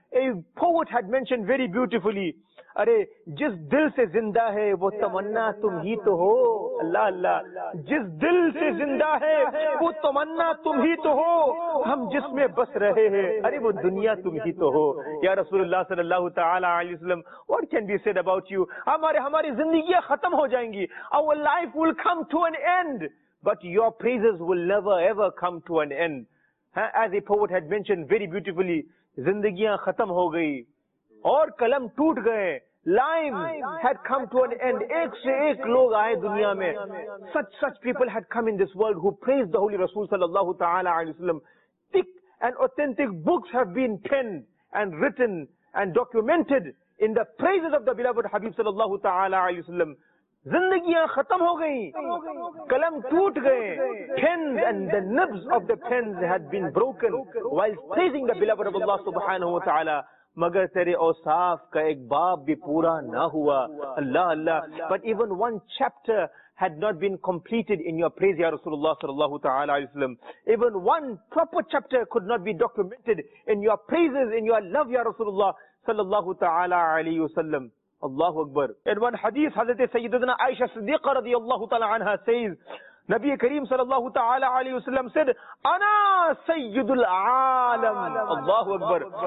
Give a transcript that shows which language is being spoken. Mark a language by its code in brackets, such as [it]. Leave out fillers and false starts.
[en] A poet had mentioned very beautifully, [ur] ارے جس دل سے زندہ ہے وہ تمنا تم ہی تو ہو. اللہ اللہ. جس دل سے زندہ ہے وہ تمنا تم ہی تو ہو. ہم جس میں بس رہے ہیں ارے وہ دنیا تم ہی تو ہو. یا رسول اللہ صلی اللہ تعالی علیہ وسلم, [en] what can be said about you? [ur] ہماری زندگیاں ختم ہو جائیں گی. [en] Our life will come to an end, but your praises will never ever come to an end. As a poet had mentioned very beautifully, [ur] زندگیاں ختم ہو گئی اور قلم ٹوٹ گئے. [en] Life had come to an end. [ur] ایک سے ایک لوگ آئے دنیا میں. [en] Such people had come in this world who praised the Holy Rasul sallallahu ta'ala alayhi wa sallam. Thick and authentic books have been penned and written and documented in the praises of the beloved Habib sallallahu ta'ala alayhi wa sallam. [ur] زندگیاں ختم ہو گئیں, قلم ٹوٹ گئے, [en] pens and the nibs of the pens had been broken while praising the beloved of Allah subhanahu wa ta'ala. [ur] مگر تیرے اوصاف کا ایک باب بھی پورا نہ ہوا. اللہ اللہ. [en] But even one chapter had not been completed in your praise, Ya Rasulullah sallallahu ta'ala alayhi wa sallam. Even one proper chapter could not be documented in your praises, in your love, Ya Rasulullah sallallahu ta'ala alayhi wa sallam. Allahu Akbar. In one hadith, Hazrat Sayyidina Aisha Siddiqa radiyallahu ta'ala anha says, Nabi Kareem sallallahu ta'ala alayhi wa sallam said, Ana Sayyidul Alam. Allahu Akbar.